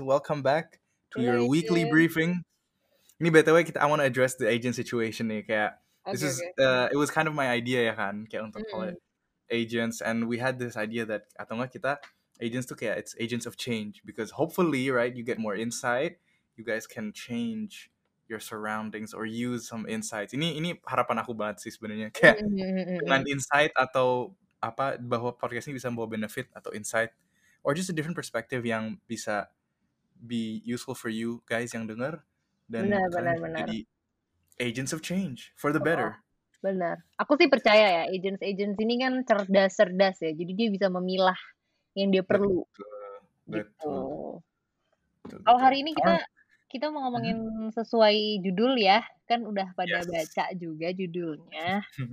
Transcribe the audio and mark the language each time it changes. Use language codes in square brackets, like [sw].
[en] Welcome back to your weekly briefing. Ini BTW, I want to address the agent situation nih. Kayak, it was kind of my idea ya kan, kayak untuk call it agents. And we had this idea that, [id] atau nggak kita... [en] Agents tuh kayak, it's agents of change. Because hopefully, right, you get more insight. You guys can change your surroundings or use some insights. [id] Ini harapan aku banget sih sebenarnya. Kayak dengan insight atau apa, bahwa podcast ini bisa membawa benefit atau insight. [en] Or just a different perspective yang bisa be useful for you guys [id] yang denger. Dan benar. Jadi [en] agents of change for the better. [id] Benar. Aku sih percaya ya, agents-agents ini kan cerdas-cerdas ya. Jadi dia bisa memilah yang dia perlu. Betul. Kalau hari ini kita mau ngomongin sesuai judul ya, kan udah pada baca juga judulnya.